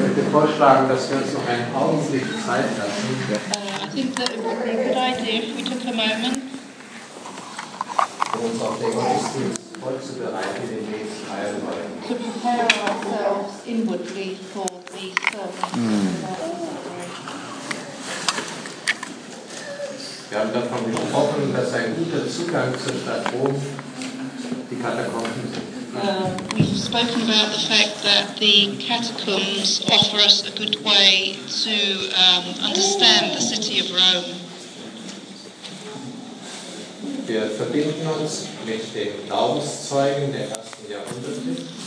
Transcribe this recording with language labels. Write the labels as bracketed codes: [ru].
[de] vorschlagen, dass wir uns noch einen Augenblick Zeit lassen. [en] I think that would be a good idea if we took a moment to prepare ourselves inwardly for the service. [de] Wir haben davon gesprochen, dass ein guter Zugang zur Stadt Rom die Katakomben sind. [en] We've spoken about the fact that the catacombs offer us a good way to understand the city of Rome. [de] Wir verbinden uns mit den Glaubenszeugen der ersten Jahrhunderte.